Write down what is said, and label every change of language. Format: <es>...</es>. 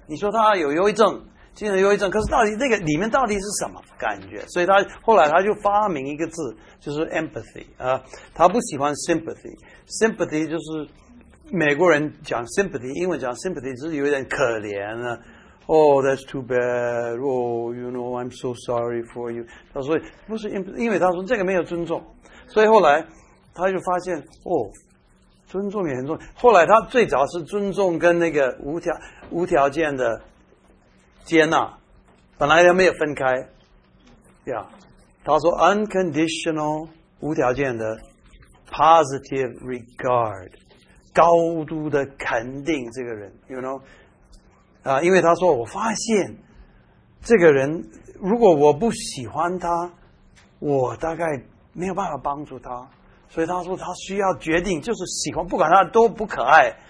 <zh>你说他有忧郁症，精神忧郁症，可是到底那个里面到底是什么感觉？所以他后来他就发明一个字，就是 empathy 啊，他不喜欢 sympathy， 就是美国人讲 sympathy， 英文讲 sympathy 是有点可怜啊。</zh> <en>Oh, that's too bad. Oh, you know, I'm so sorry for you.</en> <zh>他说不是 empathy， 因为他说这个没有尊重，所以后来他就发现哦，尊重也很重要。后来他最早是尊重跟那个无条件的接纳，本来他没有分开，呀、yeah ，他说 unconditional 无条件的</zh> <en>positive regard，</en> <zh>高度的肯定这个人 ，</zh> <en>you know，</en> <zh>啊，因为他说我发现这个人如果我不喜欢他，我大概没有办法帮助他，所以他说他需要决定，就是喜欢，不管他多不可爱。</zh>